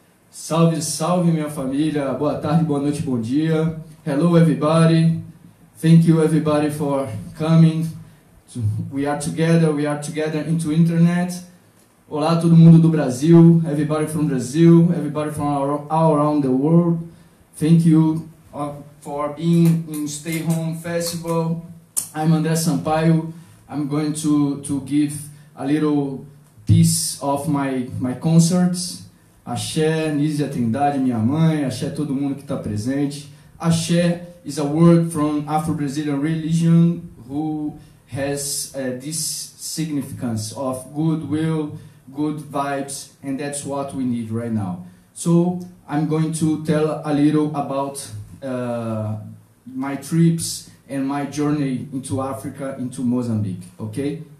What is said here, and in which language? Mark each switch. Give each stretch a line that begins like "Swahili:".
Portuguese: Salve, salve minha família, boa tarde, boa noite, bom dia.
English: Hello everybody, thank you everybody for coming. We are together into internet.
Portuguese: Olá todo mundo do Brasil,
English: everybody from Brazil, everybody from all around the world. Thank you for being in Stay Home Festival. I'm André Sampaio. I'm going to give a little piece of my concerts.
Portuguese: Axé, Nízia Trindade, minha mãe, axé todo mundo que está presente.
English: Axé is a word from Afro-Brazilian religion who has this significance of goodwill, good vibes, and that's what we need right now. So I'm going to tell a little about my trips and my journey into Africa, into Mozambique, okay?